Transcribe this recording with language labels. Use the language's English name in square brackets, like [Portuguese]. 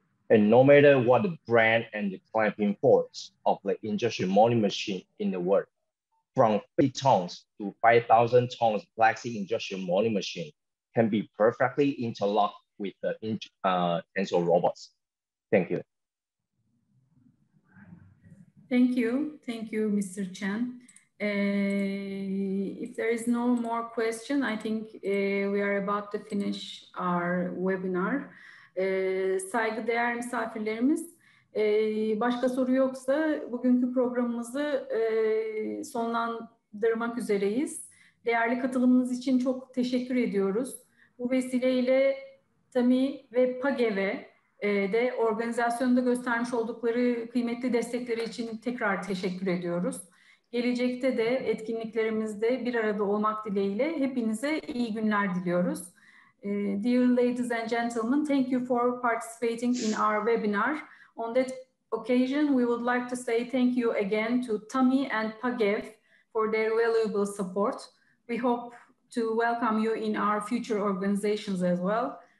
[English] And no matter what the brand and the clamping force of the injection molding machine in the world, from 50 tons to 5,000 tons plastic injection molding machine can be perfectly interlocked with the Tensor robots. Thank you. Thank you. Thank you, Mr. Chen. If there is no more question, I think we are about to finish our webinar. [Turkish] Saygıdeğer misafirlerimiz, başka soru yoksa bugünkü programımızı sonlandırmak üzereyiz. Değerli katılımınız için çok teşekkür ediyoruz. Bu vesileyle TAMİ ve PAGEV'e de organizasyonda göstermiş oldukları kıymetli destekleri için tekrar teşekkür ediyoruz. Gelecekte de etkinliklerimizde bir arada olmak dileğiyle hepinize iyi günler diliyoruz. [English] Dear ladies and gentlemen, thank you for participating in our webinar. On that occasion, we would like to say thank you again to TAMİ and PAGEV for their valuable support. We hope to welcome you in our future organizations as well.